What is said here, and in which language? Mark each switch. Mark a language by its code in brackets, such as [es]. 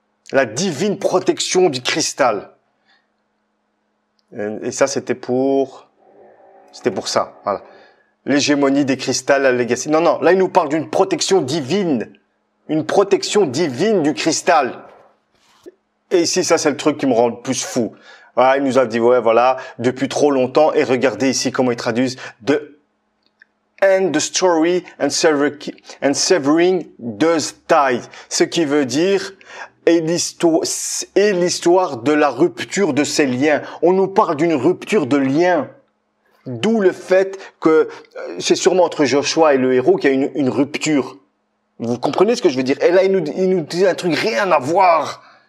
[fr] La divine protection du cristal. Et ça, c'était pour ça, voilà. L'hégémonie des cristals, la legacy. Non, non, là, il nous parle d'une protection divine. Une protection divine du cristal. Et ici, ça, c'est le truc qui me rend le plus fou. Voilà, il nous a dit, ouais, voilà, depuis trop longtemps. Et regardez ici comment ils traduisent. [en] The end the story and severing those ties. [fr] Ce qui veut dire, et l'histoire de la rupture de ces liens. On nous parle d'une rupture de liens. D'où le fait que c'est sûrement entre Joshua et le héros qu'il y a une rupture. Vous comprenez ce que je veux dire? Et là, il nous dit un truc rien à voir.